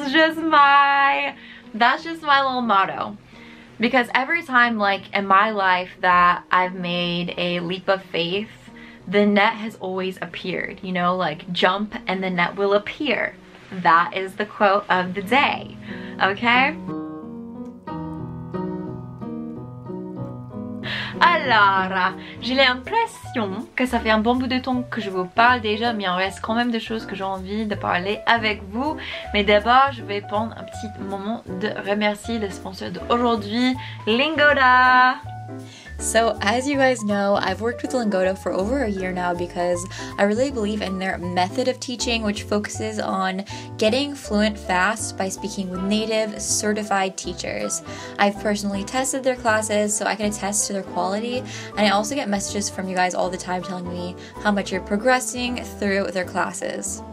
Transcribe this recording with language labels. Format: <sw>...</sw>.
<en>That's just my little motto. Because every time, like, in my life that I've made a leap of faith, the net has always appeared, you know? Like, jump and the net will appear. That is the quote of the day, okay?</en> <fr>Alors, j'ai l'impression que ça fait un bon bout de temps que je vous parle déjà, mais il reste quand même des choses que j'ai envie de parler avec vous. Mais d'abord, je vais prendre un petit moment de remercier le sponsor d'aujourd'hui, Lingoda.</fr> <en>So as you guys know, I've worked with Lingoda for over a year now because I really believe in their method of teaching, which focuses on getting fluent fast by speaking with native certified teachers. I've personally tested their classes, so I can attest to their quality, and I also get messages from you guys all the time telling me how much you're progressing through their classes.</en>